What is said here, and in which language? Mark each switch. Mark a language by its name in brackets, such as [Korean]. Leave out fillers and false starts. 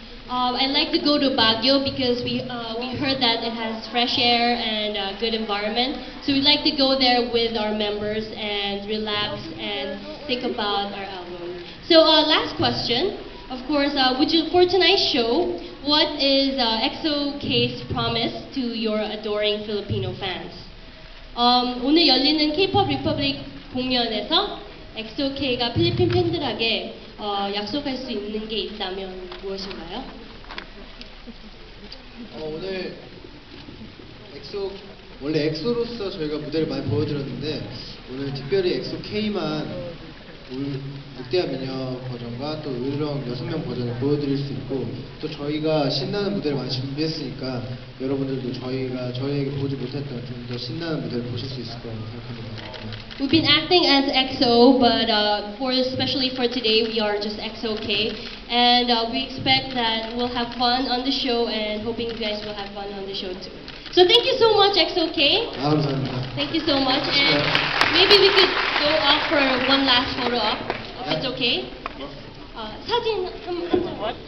[English] I'd like to go to Baguio because we heard that it has fresh air and a good environment. So we'd like to go there with our members and relax and think about our album. So last question, of course, for tonight's show, what is EXO-K's promise to your adoring Filipino fans? [Korean] 오늘 열리는 K-pop Republic 공연에서 EXO-K가 필리핀 팬들에게 약속할 수 있는 게 있다면 무엇인가요? 오늘 엑소 원래 엑소로서 저희가 무대를 많이 보여드렸는데 오늘 특별히 엑소 K만 늑대한 미녀 버전과 또 의령 6명 버전을 보여드릴 수 있고 또 저희가 신나는 무대를 많이 준비했으니까 여러분들도 저희에게 보지 못했던 좀 더 신나는 무대를 보실 수 있을 거라고 생각합니다. [English] We've been acting as EXO, but especially for today, we are just EXO-K. And we expect that we'll have fun on the show, and hoping you guys will have fun on the show too. So thank you so much, EXO-K. [Korean] 감사합니다. [English] Thank you so much, and maybe we could go up for one last photo up, if it's okay. [Korean] 사진 한 장.